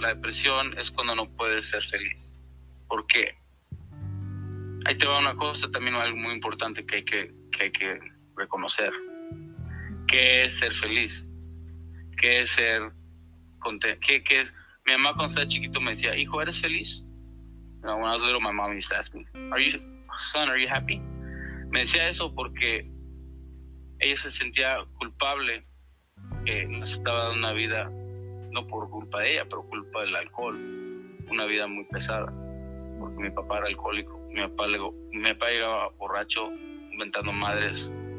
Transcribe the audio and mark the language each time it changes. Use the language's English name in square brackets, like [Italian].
[Spanish] La depresión es cuando no puedes ser feliz. ¿Por qué? Ahí te va una cosa, también algo muy importante que hay que reconocer. ¿Qué es ser feliz? ¿Qué es ser contento? ¿Qué es? Mi mamá cuando estaba chiquito me decía, hijo, ¿eres feliz? [English] No, when I was little, my mom used to ask me, son, ¿are you happy? [Spanish] Me decía eso porque ella se sentía culpable que nos estaba dando una vida, no por culpa de ella, pero culpa del alcohol, una vida muy pesada, porque mi papá era alcohólico. Mi papá llegaba borracho, inventando madres.